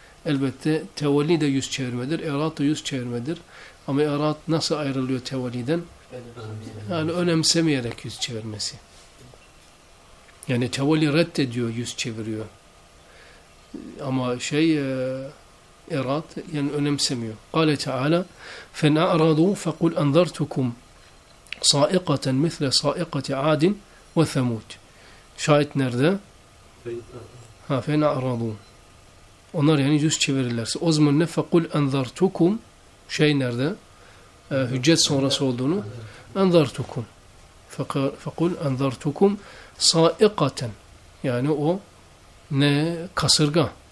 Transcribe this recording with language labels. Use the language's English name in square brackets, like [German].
[Turkish] Elbette tevelli de yüz çevirmedir, erat da yüz çevirmedir. Ama erat nasıl ayrılıyor tevelliden? Yani önemsemeyerek yüz çevirmesi. Yani tevelli reddediyor, yüz çeviriyor. Ama şey erat yani önemsemiyor. [Arabic] قال تعالى فإن أعرضوا فقل أنذرتكم صائقة مثل صائقة عاد وثمود. [Turkish] Şahit nerede? [Arabic] Ha فإن أعرضوا. [Turkish] Onlar yani yüz çevirirlerse. O zaman ne [Arabic] فقل أنذرتكم [Turkish] şey nerede? Hüccet sonrası olduğunu. [Arabic] أنذرتكم. فقل أنذرتكم صائقة [Turkish] yani o ne kasırga.